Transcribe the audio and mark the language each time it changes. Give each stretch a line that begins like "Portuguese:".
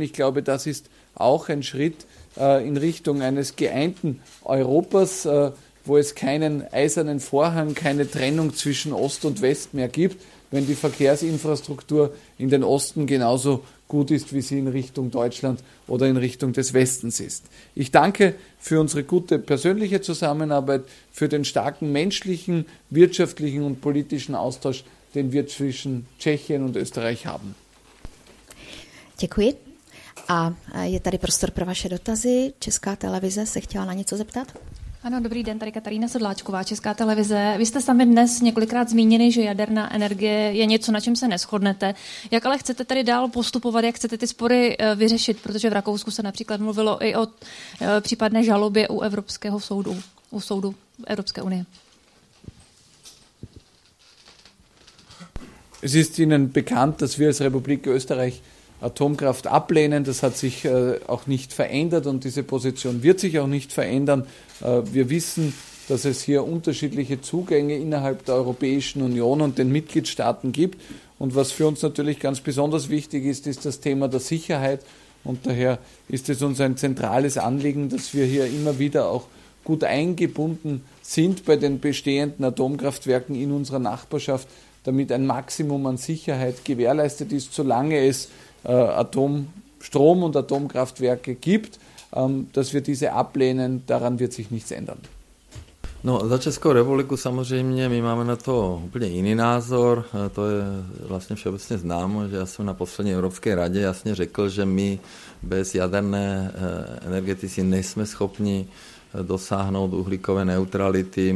German: Ich glaube, das ist auch ein Schritt in Richtung eines geeinten Europas, wo es keinen eisernen Vorhang, keine Trennung zwischen Ost und West mehr gibt, wenn die Verkehrsinfrastruktur in den Osten genauso gut ist, wie sie in Richtung Deutschland oder in Richtung des Westens ist. Ich danke für unsere gute persönliche Zusammenarbeit, für den starken menschlichen, wirtschaftlichen und politischen Austausch, den wir zwischen Tschechien und Österreich haben.
Czech: Děkuji. A je tady prostor pro vaše dotazy. Česká televize se chtěla na něco zeptat. Ano, dobrý den, tady Katarína Sedláčková, Česká televize. Vy jste sami dnes několikrát zmínili, že jaderná energie je něco, na čem se neshodnete. Jak ale chcete tady dál postupovat, jak chcete ty spory vyřešit? Protože v Rakousku se například mluvilo i o případné žalobě u Evropského soudu, u soudu Evropské unie.
German: Es ist Ihnen bekannt, dass wir als Republik Österreich Atomkraft ablehnen. Das hat sich auch nicht verändert und diese Position wird sich auch nicht verändern. Wir wissen, dass es hier unterschiedliche Zugänge innerhalb der Europäischen Union und den Mitgliedstaaten gibt. Und was für uns natürlich ganz besonders wichtig ist, ist das Thema der Sicherheit. Und daher ist es uns ein zentrales Anliegen, dass wir hier immer wieder auch gut eingebunden sind bei den bestehenden Atomkraftwerken in unserer Nachbarschaft, damit ein Maximum an Sicherheit gewährleistet ist, solange es Atomstrom und Atomkraftwerke gibt, dass wir diese ablehnen, daran wird sich nichts ändern.
Czech: No, za Českou republiku samozřejmě my máme na to úplně jiný názor, to je vlastně všeobecně známo, že já jsem na poslední Evropské radě jasně řekl, že my bez jaderné energetiky nejsme schopni dosáhnout uhlíkové neutrality.